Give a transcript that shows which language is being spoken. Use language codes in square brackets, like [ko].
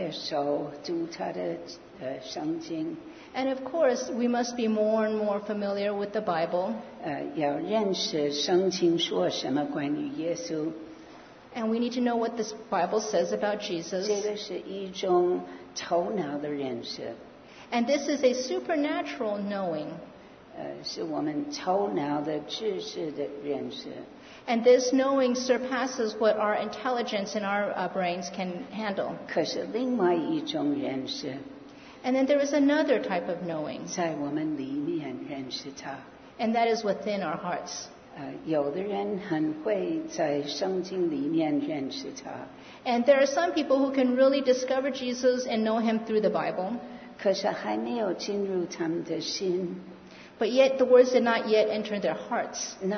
[zh] 要认识他，当然我们的圣经要越来越熟，读他的圣经。 [en] And of course, we must be more and more familiar with the Bible. [zh] 要认识圣经说什么关于耶稣。 [en] And we need to know what this Bible says about Jesus. [zh] 这个是一种头脑的认识。 [en] And this is a supernatural knowing. [zh] 是我们头脑的知识的认识。 [en] And this knowing surpasses what our intelligence and our brains can handle. [zh] 可是另外一种认识。 [en] And then there is another type of knowing. [zh] 在我们里面认识它。 [en] And that is within our hearts. [zh] 有的人很会在圣经里面认识他。 [en] And there are some people who can really discover Jesus and know him through the Bible. [zh] 可是还没有进入他们的心。 [en] But yet the words did not yet enter their hearts.